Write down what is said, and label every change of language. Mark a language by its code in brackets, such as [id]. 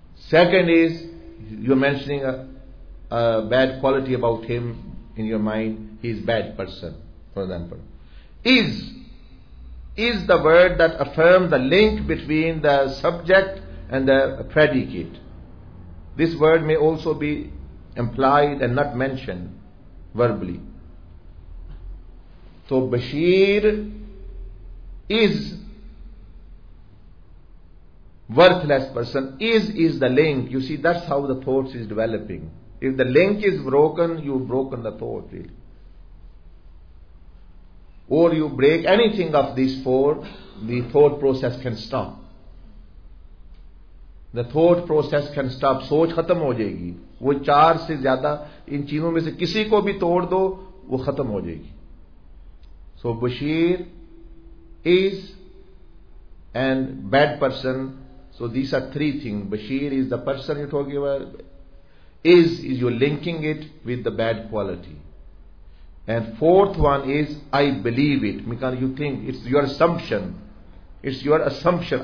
[en] Second is you mentioning a bad quality about him in your mind, he is bad person. For example is the word that affirm the link between the subject and the predicate. This word may also be employed and not mention verbally. तो Bashir is worthless person, is the link. You see that's how the thoughts is developing. If the link is broken, you broken the thought really, और you break anything of this four, the thought process can stop. The thought process can stop, [hi] सोच खत्म हो जाएगी. वो चार से ज्यादा इन चीजों में से किसी को भी तोड़ दो, वो खत्म हो जाएगी. [en] So, Bashir is a bad person. So these are three things. Bashir is the person you're talking about. Is you're linking it with the bad quality. And fourth one is, I believe it. Because you think, it's your assumption. It's your assumption.